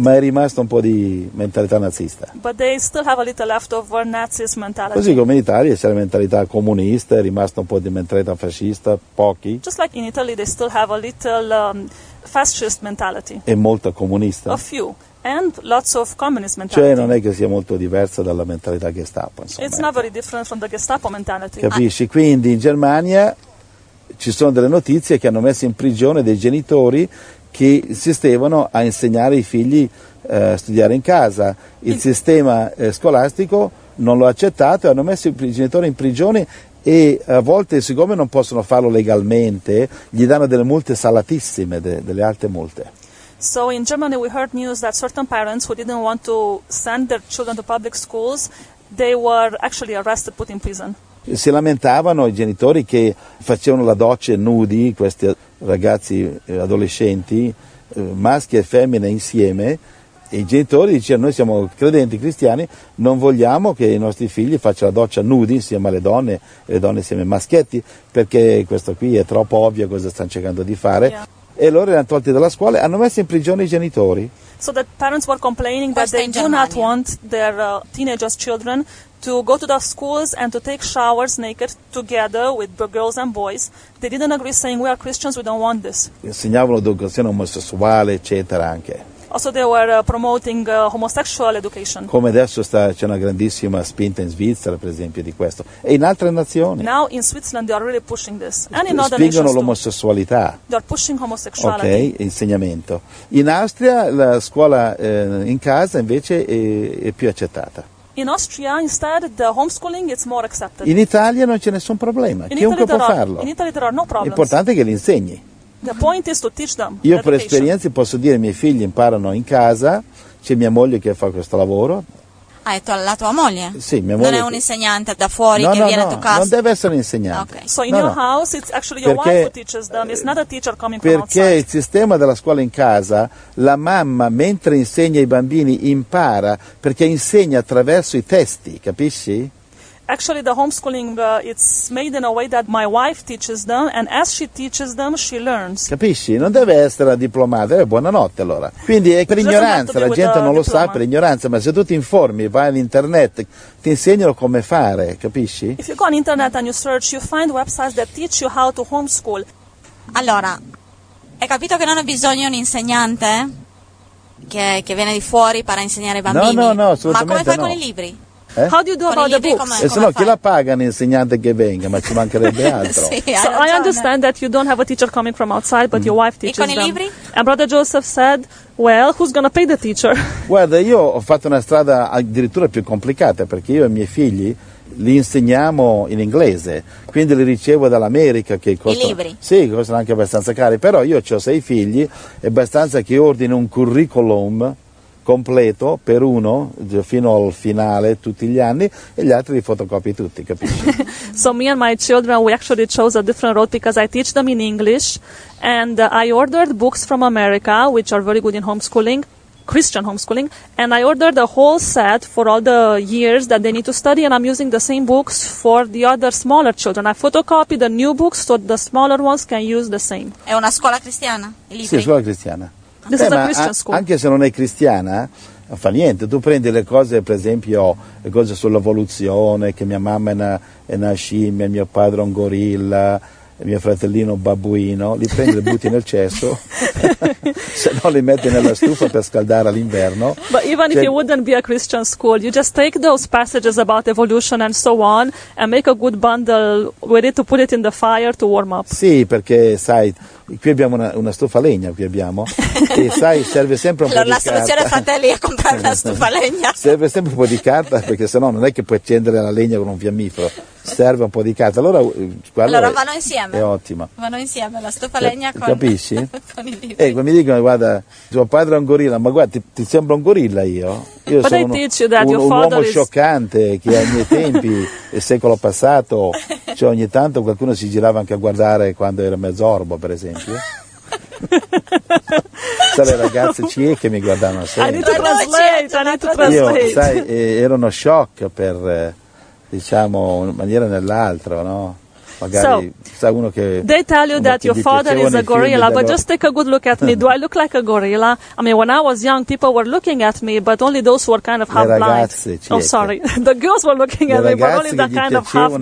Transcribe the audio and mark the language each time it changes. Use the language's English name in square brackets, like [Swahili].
[Italian] Ma è rimasto un po' di mentalità nazista. [English] But they still have a little leftover Nazis mentality. [Italian] Così come in Italia c'è la mentalità comunista, è rimasto un po' di mentalità fascista, pochi. [English] Just like in Italy they still have a little fascist mentality. [Italian] E molto comunista. [English] A few. And lots of communist mentality. [Italian] Cioè non è che sia molto diversa dalla mentalità Gestapo, insomma. [English] It's not very different from the Gestapo mentality. [Italian] Capisci? Quindi in Germania ci sono delle notizie che hanno messo in prigione dei genitori che insistevano a insegnare i figli a studiare in casa. Il sistema scolastico non lo ha accettato e hanno messo i genitori in prigione e a volte, siccome non possono farlo legalmente, gli danno delle multe salatissime, delle alte multe. [English] So in Germany we heard news that certain parents who didn't want to send their children to public schools, they were actually arrested, put in prison. [Italian] Si lamentavano i genitori che facevano la doccia nudi, questi ragazzi adolescenti, maschi e femmine insieme, e i genitori dicevano: noi siamo credenti cristiani, non vogliamo che i nostri figli facciano la doccia nudi insieme alle donne e le donne insieme ai maschietti, perché questo qui è troppo ovvio cosa stanno cercando di fare. [English] Yeah. [Italian] E loro erano tolti dalla scuola, hanno messo in prigione i genitori. [English] So that parents were complaining that they do not want their teenagers' children to go to the schools and to take showers naked together with girls and boys. They didn't agree, saying, we are Christians, we don't want this. [Italian] Insegnavano educazione omosessuale, eccetera, anche. [English] Also they were promoting homosexual education. [Italian] Come adesso c'è una grandissima spinta in Svizzera, per esempio, di questo. E in altre nazioni. [English] Now in Switzerland they are really pushing this. And in other nations [Italian] spingono l'omosessualità. [English] They are pushing homosexuality. [Italian] Ok, insegnamento. In Austria la scuola in casa invece è più accettata. [English] In Austria, instead, the homeschooling is more accepted. [Italian] In Italia non c'è nessun problema. Chiunque può farlo. [English] In Italy there are no problems. [Italian] L'importante è che li insegni. [English] The point is to teach them. [Italian] Io per esperienza posso dire: i miei figli imparano in casa. C'è mia moglie che fa questo lavoro. Ah, è la tua moglie? Sì, mia moglie. Non è un insegnante da fuori che viene a tua casa? No, non deve essere un insegnante. Okay. [English] So in your house it's actually your wife who teaches them. It's not a teacher coming from outside. [Italian] Perché il sistema della scuola in casa, la mamma mentre insegna i bambini impara, perché insegna attraverso i testi, capisci? [English] Actually, the homeschooling, it's made in a way that my wife teaches them, and as she teaches them, she learns. [Italian] Capisci? Non deve essere diplomata. Buonanotte, allora. Quindi è per ignoranza, la gente non lo sa per ignoranza, ma se tu ti informi, vai all'internet, ti insegnano come fare, capisci? [English] If you go on internet and you search, you find websites that teach you how to homeschool. [Italian] Allora, hai capito che non ho bisogno di un insegnante che viene di fuori per insegnare ai bambini? No, assolutamente no. Ma come fai no. con i libri? Eh? [English] How do you do about the books? [Italian] E se no, chi la paga un insegnante che venga? Ma ci mancherebbe altro. Sì, [English] so I understand that you don't have a teacher coming from outside, but your wife teaches [Italian] them. E con i libri? [English] And Brother Joseph said, well, who's gonna pay the teacher? [Italian] Guarda, io ho fatto una strada addirittura più complicata, perché io e i miei figli li insegniamo in inglese, quindi li ricevo dall'America. Che costa, i libri? Sì, costano anche abbastanza cari, però io ho 6 figli, è abbastanza che ordini un curriculum completo per uno fino al finale tutti gli anni e gli altri li fotocopi tutti, capisci? [English] So me and my children, we actually chose a different road because I teach them in English and I ordered books from America which are very good in homeschooling, Christian homeschooling, and I ordered a whole set for all the years that they need to study, and I'm using the same books for the other smaller children. I photocopy the new books so the smaller ones can use the same. [Italian] È una scuola cristiana? I libri? Sì, scuola cristiana. [English] This is a Christian school. [Italian] Anche se non è cristiana, fa niente. Tu prendi le cose, per esempio, le cose sull'evoluzione, che mia mamma è una scimmia, mio padre è un gorilla, mio fratellino babbuino, li prendi e butti nel cesso, se no li metti nella stufa per scaldare all'inverno. [English] But even if it wouldn't be a Christian school, you just take those passages about evolution and so on and make a good bundle with it to put it in the fire to warm up. [Italian] Sì, perché sai, qui abbiamo una stufa legna, qui abbiamo, e sai, serve sempre un po' di carta. La soluzione fratelli è comprare la stufa legna. Serve sempre un po' di carta, perché se no non è che puoi accendere la legna con un fiammifero. Serve un po' di carta, allora vanno insieme. È ottima. Vanno insieme la stufa legna con, capisci? Con i libri. Mi dicono, guarda, tuo padre è un gorilla, ma guarda, ti sembra un gorilla io? Io [English] but [Italian] sono un uomo [English] is... [Italian] scioccante che ai miei tempi, il secolo passato, cioè ogni tanto qualcuno si girava anche a guardare quando era mezz'orbo, per esempio. Le ragazze cieche mi guardavano sempre. [English] I need to translate. [Italian] Io, sai, ero uno shock per... diciamo in maniera nell'altra, no? Magari sa uno che [English] they tell you that your father is a gorilla, but just take a good look at me. Do I look like a gorilla? I mean, when I was young, people were looking at me, but only those who were kind of half blind. The girls were looking at me, but only the kind of half blind.